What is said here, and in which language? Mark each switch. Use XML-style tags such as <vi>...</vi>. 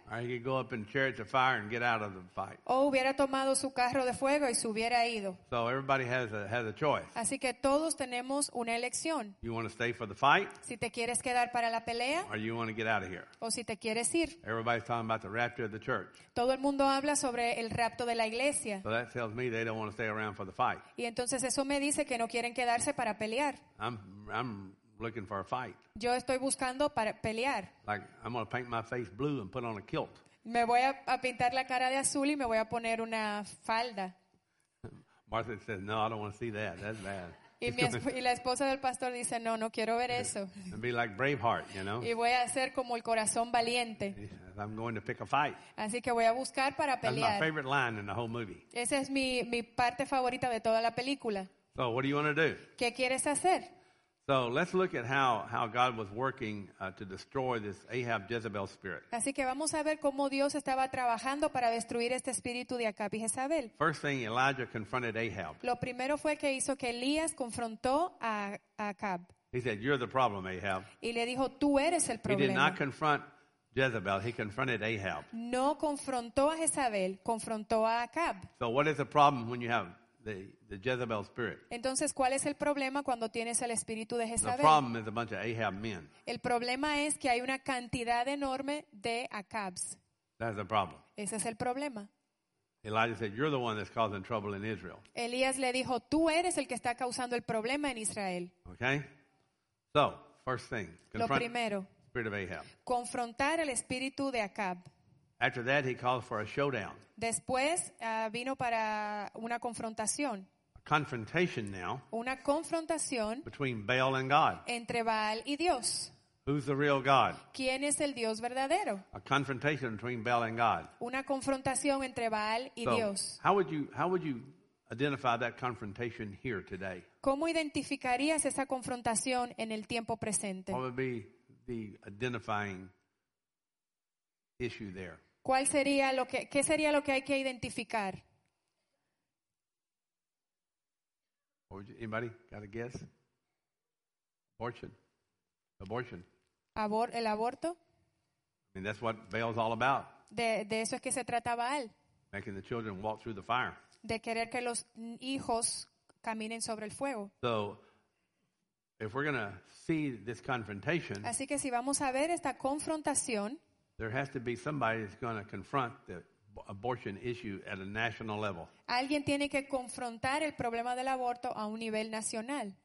<en>Or he could go up in chariots of fire and get out of the fight.</en> <es>O hubiera tomado su carro de fuego y se hubiera ido.</es> <en>So everybody has a choice.</en> <es>Así que todos tenemos una elección.</es> <en>You want to stay for the fight?</en> <es>Si te quieres quedar para la pelea.</es> <en>Or you want to get out of here?</en> <es>O si te quieres ir.</es> <en>Everybody's talking about the rapture of the church.</en> <es>Todo el mundo habla sobre el rapto de la iglesia.</es> <en>So that tells me they don't want to stay around for the fight.</en> <es>Y entonces eso me dice que no quieren quedarse para pelear.</es> <en>I'm looking for a fight.</en> <es>Yo estoy buscando para pelear.</es> <en>Like I'm going to paint my face blue and put on a kilt.</en> <es>Me voy a pintar la cara de azul y me voy a poner una falda.</es> <en>Martha says, "No, I don't want to see that. That's bad."</en> <es>Y la esposa del pastor dice, "No, no quiero ver eso."</es> <en>And be like Braveheart, you know.</en> <es>Y voy a ser como el corazón valiente.</es> <en>I'm going to pick a fight.</en> <es>Así que voy a buscar para pelear.</es> <en>That's my favorite line in the whole movie.</en> <es>Esa es mi parte favorita de toda la película.</es> <en>So what do you want to do?</en> <es>¿Qué quieres hacer?</es> <en>So let's look at how God was working to destroy this Ahab Jezebel spirit.</en> <es>Así que vamos a ver cómo Dios estaba trabajando para destruir este espíritu de Acab y Jezabel.</es> <en>First thing, Elijah confronted Ahab.</en> <es>Lo primero fue que hizo que Elías confrontó a Acab.</es> <en>He said, "You're the problem, Ahab."</en> <es>Y le dijo, "Tú eres el problema."</es> <en>He did not confront Jezebel, he confronted Ahab.</en> <es>No confrontó a Jezabel, confrontó a Acab.</es> <en>So what is the problem when you have the Jezebel spirit?</en> <es>Entonces, ¿cuál es el problema cuando tienes el espíritu de Jezabel?</es> <en>The problem is a bunch of Ahab men.</en> <es>El problema es que hay una cantidad enorme de Acabs.</es> <en>That's the problem.</en> <es>Ese es el problema.</es> <en>Elijah said, "You're the one that's causing trouble in Israel."</en> <es>Elías le dijo, "Tú eres el que está causando el problema en Israel."</es> <en>Okay. So, first thing.</en> <es>Lo primero.</es> <en>Spirit of Ahab.</en> <es>Confrontar el espíritu de Acab.</es> <en>After that, he called for a showdown.</en> <es>Después vino para una confrontación.</es> <en>A confrontation now.</en> <es>Una confrontación.</es> <en>Between Baal and God.</en> <es>Entre Baal y Dios.</es> <en>Who's the real God?</en> <es>¿Quién es el Dios verdadero?</es> <en>A confrontation between Baal and God.</en> <es>Una confrontación entre Baal y Dios.</es> <en>How would you identify that confrontation here today?</en> <es>¿Cómo identificarías esa confrontación en el tiempo presente?</es> <en>What would be the identifying issue there?</en> <es>¿Cuál sería qué sería lo que hay que identificar?</es> <en>Anybody got a guess? Abortion. Abortion.</en> <es>El aborto.</es> <en>I mean, that's what Baal's all about.</en> <es>De eso es que se trata Baal.</es> <en>Making the children walk through the fire.</en> <es>De querer que los hijos caminen sobre el fuego.</es> <en>So, if we're going to see this confrontation.</en> <es>Así que si vamos a ver esta confrontación.</es> <en>There has to be somebody that's going to confront the abortion issue at a national level.</en> <es>Alguien tiene que confrontar el problema del aborto a un nivel nacional.</es>